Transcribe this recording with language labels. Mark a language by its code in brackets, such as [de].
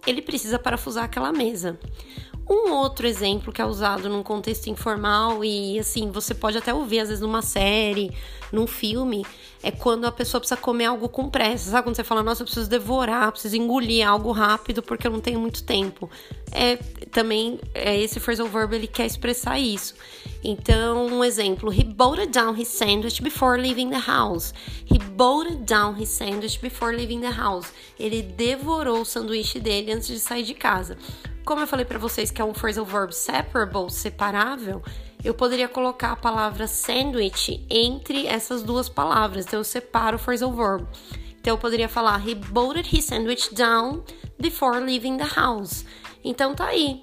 [pt] Ele precisa parafusar aquela mesa. Um outro exemplo que é usado num contexto informal e, assim, você pode até ouvir, às vezes, numa série, num filme, é quando a pessoa precisa comer algo com pressa. Sabe quando você fala, nossa, eu preciso devorar, preciso engolir algo rápido porque eu não tenho muito tempo. Também, esse phrasal verb, ele quer expressar isso. Então, um exemplo. [en] He bolted down his sandwich before leaving the house. He bolted down his sandwich before leaving the house. [pt] Ele devorou o sanduíche dele antes de sair de casa. Como eu falei para vocês que é um phrasal verb separable, separável, eu poderia colocar a palavra sandwich entre essas duas palavras. Então, eu separo o phrasal verb. Então, eu poderia falar, [en] he bolted his sandwich down before leaving the house. [pt] Então, tá aí.